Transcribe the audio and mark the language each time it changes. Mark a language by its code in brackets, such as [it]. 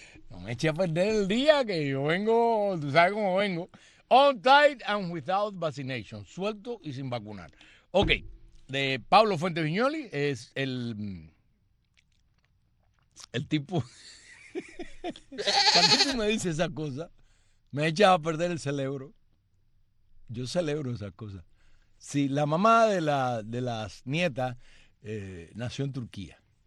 [es] No me eche a perder el día que yo vengo, tú sabes cómo vengo. [en] On tight and without vaccination. [es] Suelto y sin vacunar. Ok, de Pablo Fuentes Viñoli es el tipo... Cuando tú me dices esa cosa, me echas a perder el cerebro. Yo celebro esa cosa. Sí, la mamá de las nietas nació en Turquía.